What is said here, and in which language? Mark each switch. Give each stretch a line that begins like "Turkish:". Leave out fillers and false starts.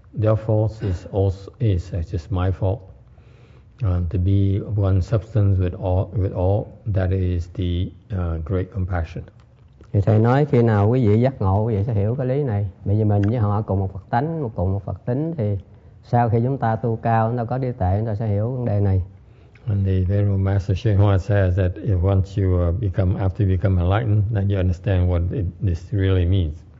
English: Their faults is also is just my fault. To be one substance with all, that is the great compassion.
Vietnamese: Thì thầy nói khi nào quý vị giác ngộ, quý vị sẽ hiểu cái lý này. Bởi vì mình với họ cùng một Phật tánh, cùng một Phật tính, thì sau khi chúng ta tu cao, chúng ta có đi tệ, chúng ta sẽ hiểu vấn đề này.
English: And the Venerable Master Xinhua says that if once you become, after you become enlightened, then you understand what this really means.